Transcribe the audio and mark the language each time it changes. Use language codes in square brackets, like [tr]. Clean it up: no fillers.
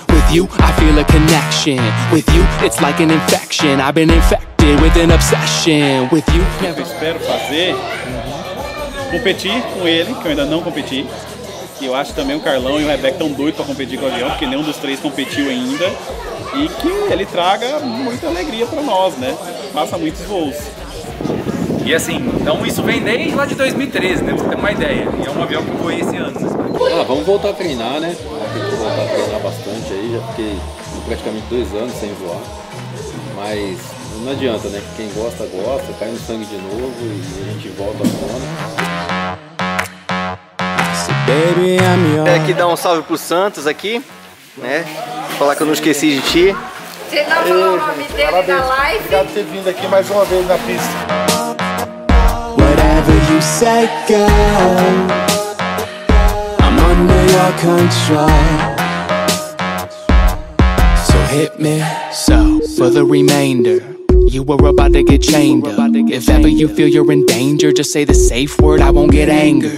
[en] With you, I feel a connection. With you, it's like an infection. I've been infected with an obsession. With you, [pt] never espero fazer. Competi com ele, que eu ainda não competi. E eu acho também o Carlão e o Rebeca tão doidos pra competir com o avião, porque nenhum dos 3 competiu ainda. E que ele traga muita alegria pra nós, né? Faça muitos voos. E assim, então isso vem desde lá de 2013, né? Pra você ter uma ideia. E é um avião que eu voei esse ano. Ah, vamos voltar a treinar, né? Tem que voltar a treinar bastante aí, já fiquei praticamente 2 anos sem voar. Mas o não adianta, né? Quem gosta, gosta, cai no sangue de novo e a gente volta à tona. Quero aqui dar um salve pro Santos aqui, né? Falar que eu não esqueci de ti. Você não falou o nome dele. Parabéns. Na live. Obrigado por ter vindo aqui mais uma vez na pista. [en] Whatever you say, girl, I'm under your control. So hit me. So, for the remainder, you were about to get chained up. If ever you feel you're in danger, just say the safe word, I won't get angry.